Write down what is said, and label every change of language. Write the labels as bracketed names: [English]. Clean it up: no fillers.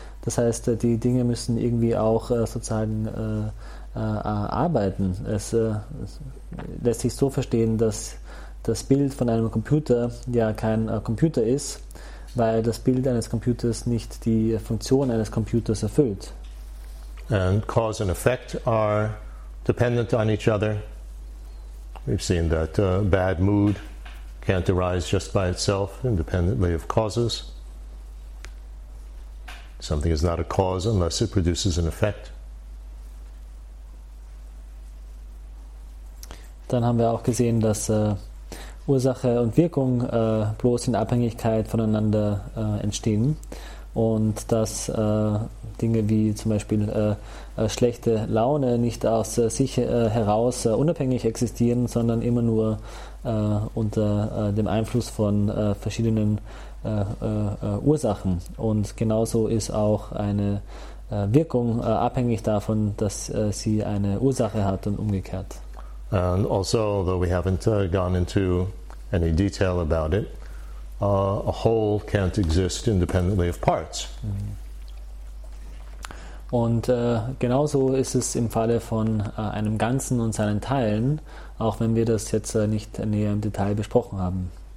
[German] Das heißt, die Dinge müssen irgendwie auch sozusagen arbeiten. Es lässt sich so verstehen, dass das Bild von einem Computer ja kein Computer ist, weil das Bild eines Computers nicht die Funktion eines Computers erfüllt. [English] And cause and effect are dependent on each other. We've seen that bad mood can't arise just by itself, independently of causes. Something is not a cause unless it produces an effect. [German] Dann haben wir auch gesehen, dass Ursache und Wirkung bloß in Abhängigkeit voneinander entstehen und dass Dinge wie zum Beispiel schlechte Laune nicht aus sich heraus unabhängig existieren, sondern immer nur unter dem Einfluss von verschiedenen Ursachen. Und genauso ist auch eine Wirkung abhängig davon, dass sie eine Ursache hat und umgekehrt. [English] And also, though we haven't gone into any detail about it, a whole can't exist independently of parts. [German] Und genauso ist es im Falle von einem Ganzen und seinen Teilen, auch wenn wir das jetzt nicht näher im Detail besprochen haben.